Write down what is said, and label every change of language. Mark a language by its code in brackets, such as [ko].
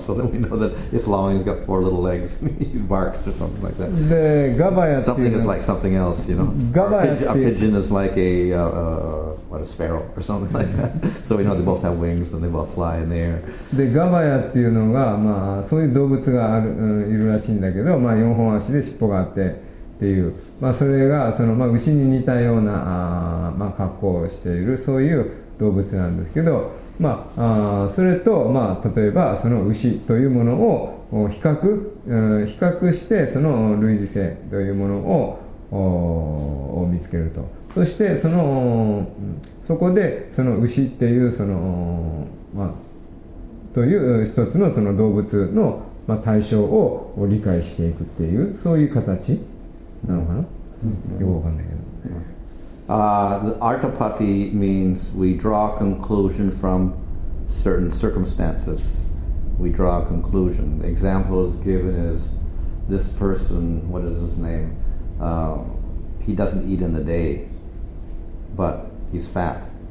[en] So then we know that it's long, he's got four little legs, he barks or something like that. The gavaya something is like something else, you know. A pigeon is like a sparrow or something like that. So we know they both have wings and they both fly in the air. The gavaya [ja] っていうのが、まあ、そういう動物がある、いるらしいんだけど、まあ、本足で尻尾があってっていう、まあ、それがその、まあ、牛に似たようなまあ、格好をしているそういう動物なんですけど、まあ、それと、まあ、例えばその牛というものを比較してその類似性というものを見つけると、そしてそのそこでその牛っていうその、まあ、という一つのその動物のまあ、対象を理解していくっていうそういう形なのかな、よくわかんないけど、 [en] The artapati means we draw a conclusion from certain circumstances. We draw a conclusion. The example is given is this person, what is his name? He doesn't eat in the day, but he's fat.